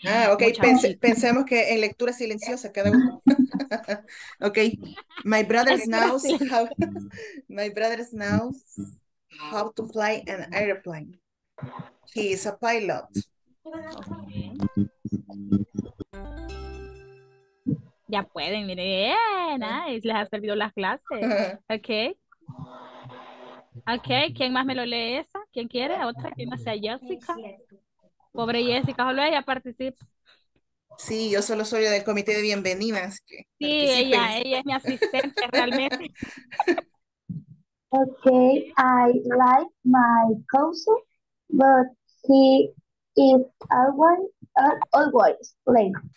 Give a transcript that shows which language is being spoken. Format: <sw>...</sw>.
<es>Ah, ok, pensemos que en lectura silenciosa cada uno.</es> <en>Ok, my brother knows how, my brother knows how to fly an airplane. He is a pilot.</en> <es>Ya pueden, miren, nice. Les ha servido las clases. Ok. Ok, ¿quién más me lo lee esa? ¿Quién quiere? ¿Otra? ¿Quién no sea Jessica? Pobre Jessica, solo ella participa. Sí, yo solo soy del comité de bienvenidas. Que sí, participen. ella es mi asistente realmente.</es> <en>Ok, I like my cousin, but he is always late.</en>